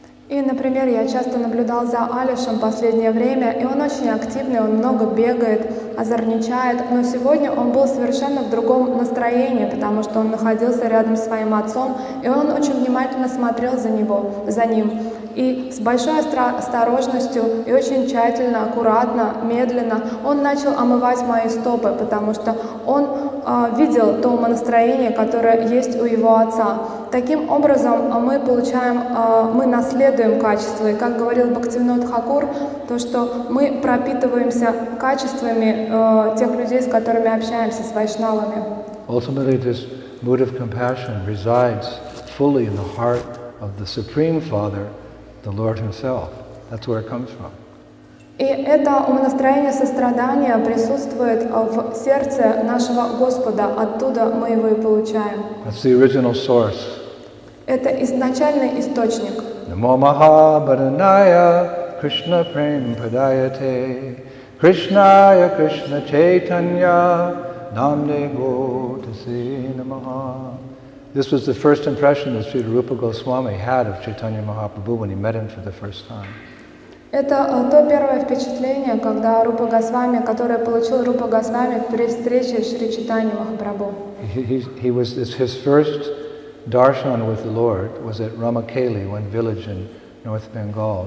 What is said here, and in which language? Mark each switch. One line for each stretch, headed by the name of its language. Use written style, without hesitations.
Russian: И, например, я часто наблюдал за Алишем последнее время, и он очень активный, он много бегает, озорничает, но сегодня он был совершенно в другом настроении, потому что он находился рядом с своим отцом, и он очень внимательно смотрел за ним, и с большой осторожностью, и очень тщательно, аккуратно, медленно он начал омывать мои стопы, потому что он видел то настроение, которое есть у его отца. Таким образом, мы наследуем качества. И как говорил Бхактивинод Хакур, то, что мы пропитываемся качествами тех людей, с которыми общаемся, с вайшнавами.
English: Ultimately, this mood of compassion resides fully in the heart of the Supreme Father, the Lord Himself. That's where it comes from.
Russian: И это умонастроение сострадания присутствует в сердце нашего Господа. Оттуда мы его и получаем.
English: That's the original source.
Russian: Это изначальный источник.
Sanskrit: Namo Mahabharanaya Krishna Prem Padayate Krishnaya Krishna Chaitanya Namne Gotase Namaha.
English: This was the first impression that Sri Rupa Goswami had of Chaitanya Mahaprabhu when he met him for the first time.
Russian: Это то первое впечатление, когда Рупа Госвами, которое получил Рупа Госвами при встрече с Шри Чайтанья Махапрабху.
English: His first darshan with the Lord was at Ramakeli, one village in North Bengal.